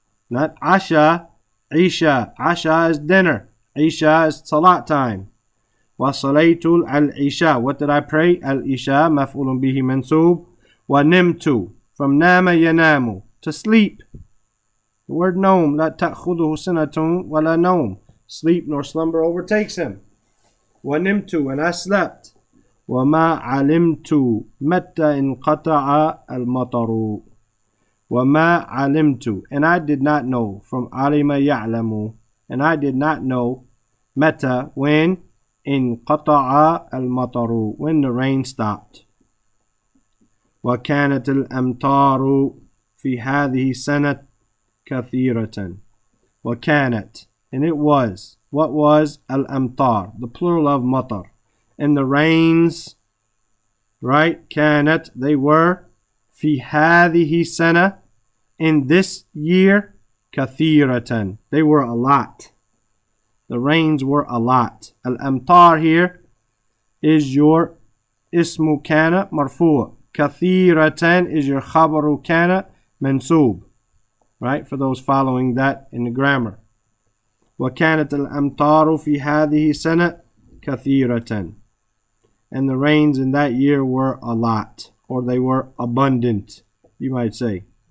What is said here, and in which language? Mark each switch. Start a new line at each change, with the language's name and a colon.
Arabic: not عشاء, عشاء, عشاء is dinner, عشاء is salat time, وصليتو العشاء, what did I pray, العشاء, مفعول به منصوب, ونمتو, from نام ينام, to sleep, the word نوم, لا تأخذه سنة ولا نوم,
English: sleep nor slumber overtakes him,
Arabic: ونمتو,
English: and I slept,
Arabic: وما علمت متى انقطع المطر.
English: وما علمت, and I did not know, from علم يعلم, and I did not know, متى, when,
Arabic: انقطع المطر,
English: when the rain stopped.
Arabic: وكانت الأمطار في هذه السنة كثيرة.
English: وكانت, and it was, what was, الأمطار, the plural of مطر. And the rains, right, كانت, they were,
Arabic: في هذه السنة,
English: in this year, كثيرة, they were a lot. The rains were a lot.
Arabic: الأمطار here is your اسم كان مرفوع. كثيرة is your خبر كان منصوب.
English: Right, for those following that in the grammar.
Arabic: وكانت الأمطار في هذه السنة كثيرة.
English: And the rains in that year were a lot, or they were abundant, you might say.